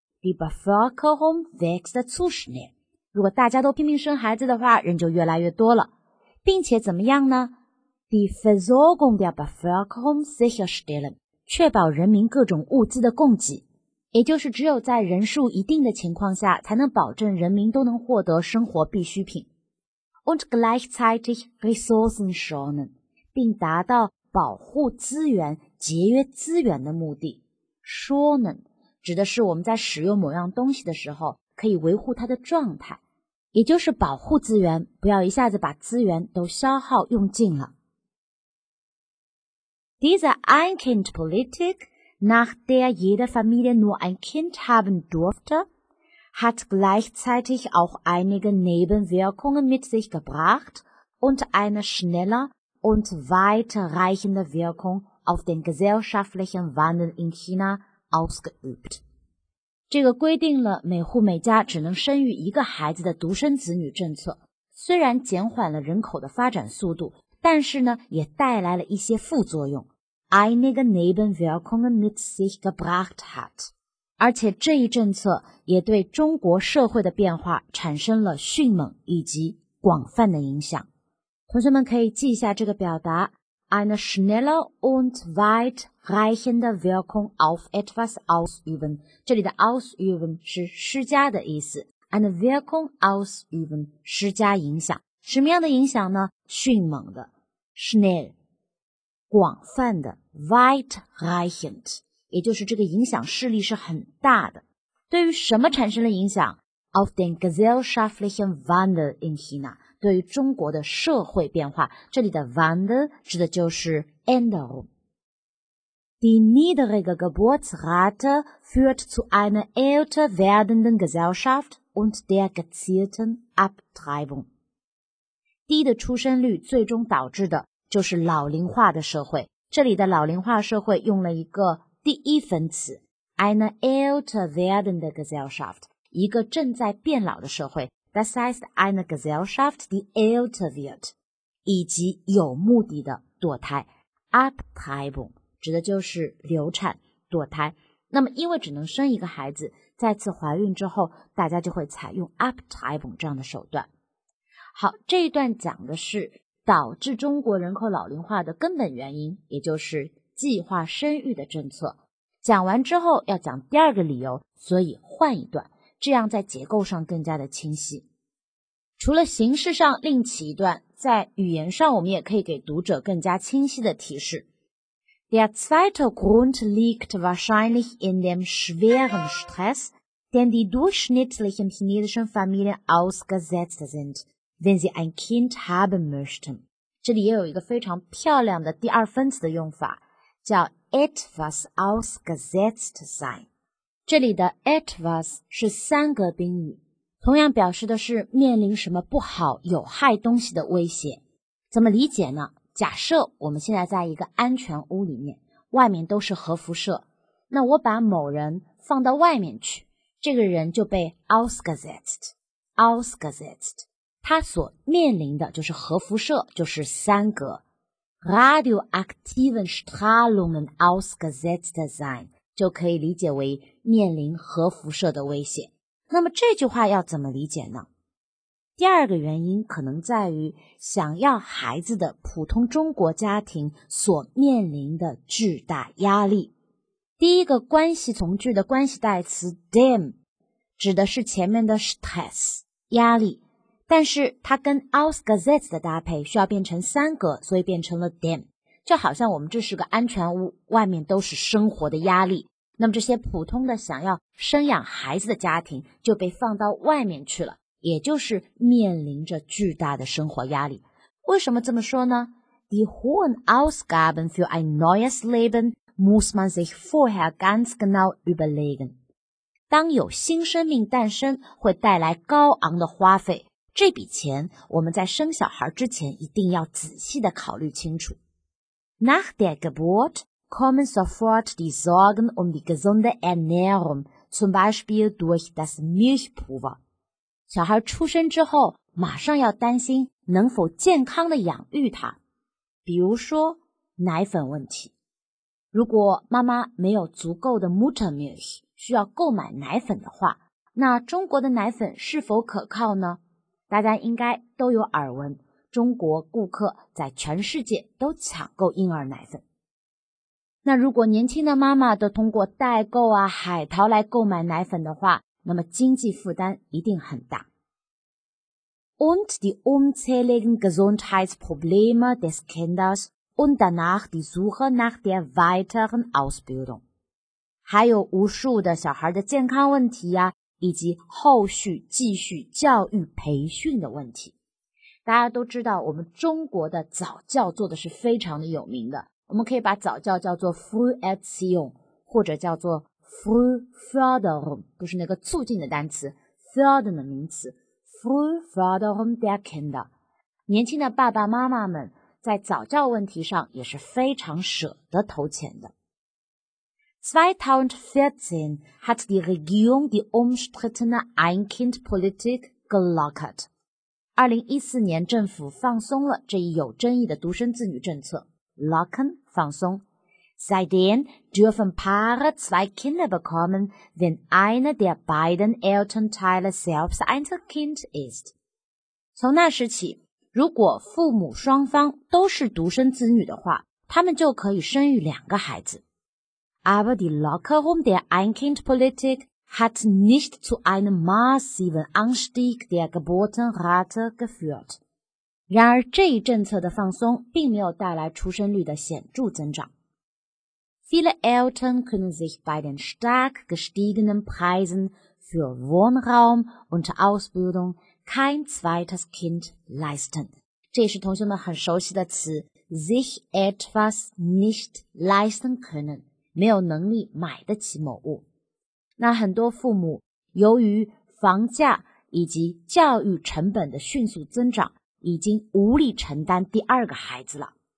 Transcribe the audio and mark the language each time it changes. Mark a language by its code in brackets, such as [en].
[de] Die Bevölkerung wächst zu schnell. [zh] 如果大家都拼命生孩子的话，人就越来越多了。并且怎么样呢？ [de] Die Versorgung der Bevölkerung sicherstellen. [zh] 确保人民各种物资的供给。也就是只有在人数一定的情况下，才能保证人民都能获得生活必需品。 [de] Und gleichzeitig Ressourcen schonen. [zh] 并达到保护资源、节约资源的目的。 [de] Schonen. [zh] 指的是我们在使用某样东西的时候可以维护它的状态，也就是保护资源，不要一下子把资源都消耗用尽了。 [de] Diese Ein-Kind-Politik, nach der jede Familie nur ein Kind haben durfte, hat gleichzeitig auch einige Nebenwirkungen mit sich gebracht und eine schneller und weiterreichende Wirkung auf den gesellschaftlichen Wandel in China. Ausgeübt. [zh] 这个规定了每户每家只能生育一个孩子的独生子女政策，虽然减缓了人口的发展速度，但是呢，也带来了一些副作用。 [de] Einige Nebenwirkungen mit sich gebracht hat. [zh] 而且这一政策也对中国社会的变化产生了迅猛以及广泛的影响。同学们可以记一下这个表达。 [de] Eine schnelle und weitreichende Wirkung auf etwas ausüben. [zh] 这里的 ausüben 是施加的意思。 [de] Eine Wirkung ausüben, [zh] 施加影响。什么样的影响呢？迅猛的 ,schnell, 广泛的 ,weitreichend, 也就是这个影响势力是很大的。对于什么产生了影响 [de] ?Auf den gesellschaftlichen Wandel in China, [zh] 对于中国的社会变化。这里的 Wandel 指的就是 Änderung。 [de] Die niedrige Geburtsrate führt zu einer älter werdenden Gesellschaft und der gezielten Abtreibung. [zh] 低的出生率最终导致的就是老龄化的社会。这里的老龄化社会用了一个第一分词 [de] eine älter werdende Gesellschaft, [zh] 一个正在变老的社会 [de] das heißt eine Gesellschaft, die älter wird, [zh] 以及有目的的堕胎 Abtreibung,指的就是流产、堕胎。那么因为只能生一个孩子，再次怀孕之后，大家就会采用 Abtreibung 这样的手段。好，这一段讲的是导致中国人口老龄化的根本原因，也就是计划生育的政策。讲完之后要讲第二个理由，所以换一段，这样在结构上更加的清晰。除了形式上另起一段，在语言上我们也可以给读者更加清晰的提示。 [de] Der zweite Grund liegt wahrscheinlich in dem schweren Stress, den die durchschnittlichen chinesischen Familien ausgesetzt sind, wenn sie ein Kind haben möchten. [zh] 这里也有一个非常漂亮的第二分词的用法，叫 [de] etwas ausgesetzt sein. [zh] 这里的 etwas 是三个宾语，同样表示的是面临什么不好、有害东西的威胁。怎么理解呢？假设我们现在在一个安全屋里面，外面都是核辐射，那我把某人放到外面去，这个人就被 ausgesetzt， 他所面临的就是核辐射，就是三个 [de] radioaktiven Strahlungen ausgesetzt sein， [zh] 就可以理解为面临核辐射的威胁。那么这句话要怎么理解呢？第二个原因可能在于想要孩子的普通中国家庭所面临的巨大压力。第一个关系从句的关系代词 dem 指的是前面的 stress 压力，但是它跟 ausgesetzt 的搭配需要变成三个，所以变成了 dem， 就好像我们这是个安全屋，外面都是生活的压力，那么这些普通的想要生养孩子的家庭就被放到外面去了，也就是面临着巨大的生活压力。为什么这么说呢？ [de] Die hohen Ausgaben für ein neues Leben muss man sich vorher ganz genau überlegen. [zh] 当有新生命诞生，会带来高昂的花费，这笔钱我们在生小孩之前一定要仔细的考虑清楚。 [de] Nach der Geburt kommen sofort die Sorgen um die gesunde Ernährung, zum Beispiel durch das Milchpulver. [zh] 小孩出生之后马上要担心能否健康地养育他，比如说奶粉问题。如果妈妈没有足够的 Muttermilch 需要购买奶粉的话，那中国的奶粉是否可靠呢？大家应该都有耳闻，中国顾客在全世界都抢购婴儿奶粉。那如果年轻的妈妈都通过代购啊、海淘来购买奶粉的话，那么经济负担一定很大。 [de] Und die unzähligen Gesundheitsprobleme des Kindes und danach die Suche nach der weiteren Ausbildung. [zh] 还有无数的小孩的健康问题啊，以及后续继续教育培训的问题。大家都知道我们中国的早教做的是非常的有名的。我们可以把早教叫做 Früherziehung, 或者叫做Frühförderung， 就是那个促进的单词 fördern 的名词 [de] Frühförderung der Kinder。 [zh] 年轻的爸爸妈妈们在早教问题上也是非常舍得投钱的。 [de] 2014 hat die Regierung die umstrittene Ein-Kind-Politik gelockert。 [zh] 2014年政府放松了这一有争议的独生子女政策 lockern 放松。 [de] Seitdem dürfen Paare zwei Kinder bekommen, wenn einer der beiden Elternteile selbst ein Kind ist. [zh] 从那时起，如果父母双方都是独生子女的话，他们就可以生育两个孩子。 [de] Aber die Lockerung der Ein-Kind-Politik hat nicht zu einem massiven Anstieg der Geburtenrate geführt. [zh] 然而这一政策的放松并没有带来出生率的显著增长。 [de] Viele Eltern können sich bei den stark gestiegenen Preisen für Wohnraum und Ausbildung kein zweites Kind leisten. [zh] 这也是同学们很熟悉的词 [de] sich etwas nicht leisten können, [zh] 没有能力买得起某物。那很多父母由于房价以及教育成本的迅速增长已经无力承担第二个孩子了。